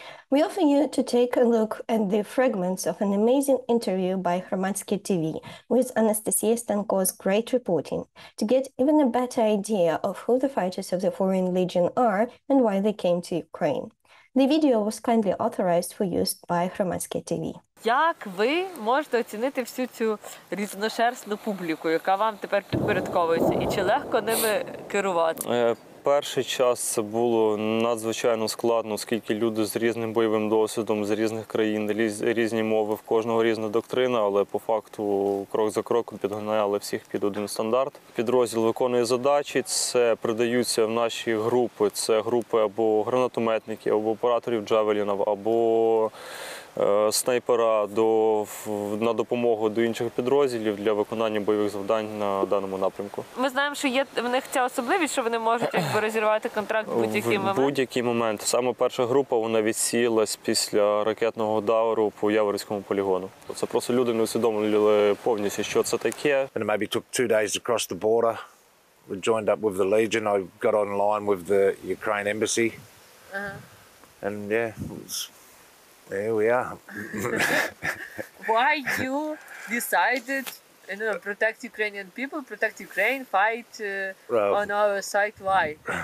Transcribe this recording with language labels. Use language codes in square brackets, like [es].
[en] We offer you to take a look at the fragments of an amazing interview by Hromadske TV with Anastasia Stanko's great reporting to get even a better idea of who the fighters of the Foreign Legion are and why they came to Ukraine. The video was kindly authorized for use by Hromadske TV. [uk] Як ви можете оцінити всю цю різношерстну публіку, яка вам тепер підпорядковується, і чи легко ними керувати? Перший час це було надзвичайно складно, оскільки люди з різним бойовим досвідом, з різних країн, різні мови, в кожного різна доктрина, але по факту крок за кроком підганяли всіх під один стандарт. Підрозділ виконує задачі, це придаються в наші групи. Це групи або гранатометників, або операторів джавелінів, або снайпера на допомогу до інших підрозділів для виконання бойових завдань на даному напрямку. Ми знаємо, що є в них ця особливість, що вони можуть якби розірвати контракт в будь-який момент. В будь-який момент. Саме перша група, вона відсіялась після ракетного удару по Яворівському полігону. Це просто люди не усвідомлювали повністю, що це таке. [en] And it maybe took 2 days to cross the border. We joined up with the Legion. I got online with the Ukraine embassy. Uh-huh. And yeah, there we are. Why you decided, you know, protect Ukrainian people, protect Ukraine, fight on our side? Why?